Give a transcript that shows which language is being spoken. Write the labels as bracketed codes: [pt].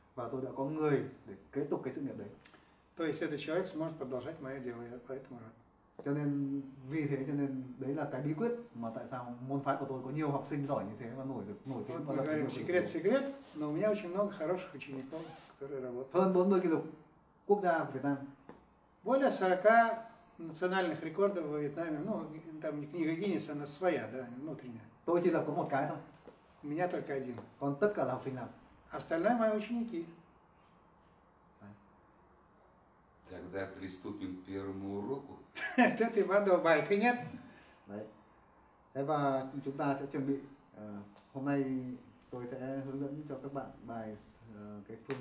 [vi] Và tôi đã có người để kế tục cái sự nghiệp đấy. [ru] То есть этот человек сможет продолжать мое дело, я поэтому рад. [vi] Cho nên vì thế cho nên đấy là cái bí quyết mà tại sao môn phái của tôi có nhiều học sinh giỏi như thế và nổi được nổi tiếng. [ru] Вот мы говорим секрет, секрет, но у меня очень много хороших учеников, которые работают. [vi] Hơn 40 kỷ lục quốc gia Việt Nam. [ru] Более 40 национальных рекордов во Вьетнаме. Ну, там не книга Гиннесса, она своя, да, внутренняя. [vi] Tôi chỉ là có một cái thôi. [ru] У меня только один. [vi] Còn tất cả là học sinh nào? [ru] Остальные мои ученики. Тогда приступим к первому уроку. Это ты вандал байк, нет? [vi] Đấy. Và chúng ta sẽ chuẩn bị. Hôm nay tôi sẽ hướng dẫn cho các bạn bài cái phương